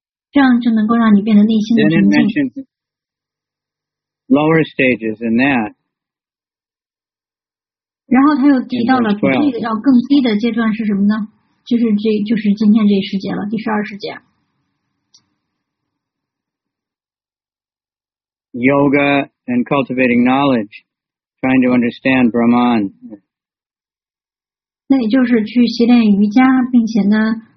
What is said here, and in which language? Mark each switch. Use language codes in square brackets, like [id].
[zh] 这样就能够让你变得内心的宁静。 [en] Then it mentions lower stages than that. [zh] 然后他又提到了比这个要更低的阶段是什么呢？就是今天这十节了，第十二十节。 [en] Yoga and cultivating knowledge, trying to understand Brahman. [zh] 那也就是去习练瑜伽，并且呢。